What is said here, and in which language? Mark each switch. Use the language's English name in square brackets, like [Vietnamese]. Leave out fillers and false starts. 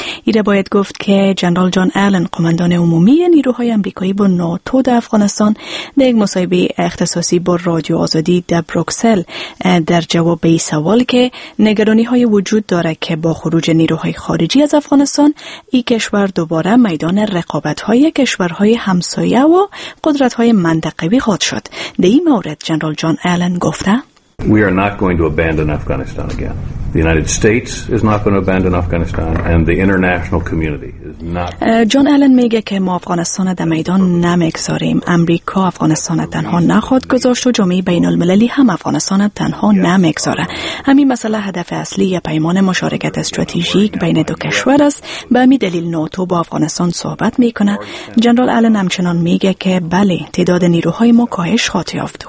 [Persian] ایره باید گفت که جنرال جان آلن، قمندان عمومی نیروهای آمریکایی با ناتو در افغانستان، در یک مصاحبه اختصاصی با رادیو آزادی در بروکسل در جواب به سوال که نگرانی‌های وجود دارد که با خروج نیروهای خارجی از افغانستان، این کشور دوباره میدان رقابت‌های کشورهای همسایه و قدرت‌های منطقه‌ای خواهد شد. در این مورد جنرال جان آلن گفته: [English] We are not going to abandon Afghanistan again. The United States is not going to abandon Afghanistan and the international community is not. [Persian] جان آلن میگه که ما افغانستان در میدان نمیگذاریم. آمریکا افغانستان تنها نخواهد گذاشت و جامعه بین المللی هم افغانستان تنها نمیگذاره. همین مسئله هدف اصلی پیمان مشارکت استراتژیک بین دو کشور است. به همین دلیل ناتو با افغانستان صحبت میکنه. جنرال آلن همچنان میگه که بله، تعداد نیروهای ما کاهش خواهد یافت.